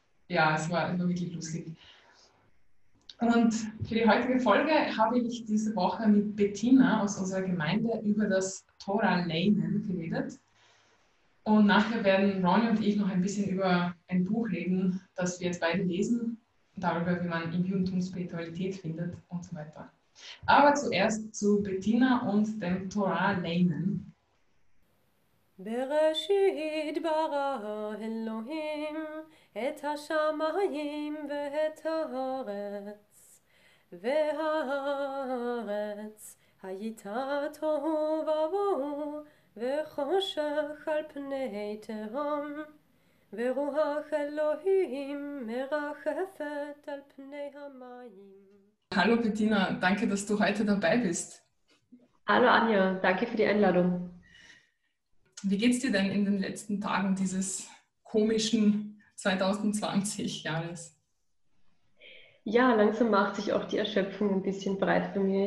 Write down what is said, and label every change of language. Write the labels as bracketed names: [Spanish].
[German] Ja, es war immer wirklich lustig. Und für die heutige Folge habe ich diese Woche mit Bettina aus unserer Gemeinde über das Torah-Lehnen geredet. Und nachher werden Ronny und ich noch ein bisschen über ein Buch reden, das wir jetzt beide lesen, darüber, wie man im Judentum Spiritualität findet und so weiter. Aber zuerst zu Bettina und dem Torah Lehnen. [Hebrew] Bereshit bara Elohim et hashamayim ve et haaretz ve haaretz hayita tohu vavohu וחושך על פני תהום, ורוח אלוהים מרחפת על פני המים. [German] Hallo Bettina, danke, dass du heute dabei bist. Hallo Anja, danke für die Einladung. Wie geht's dir denn in den letzten Tagen dieses komischen 2020-Jahres? Ja, langsam macht sich auch die Erschöpfung ein bisschen breit bei mir.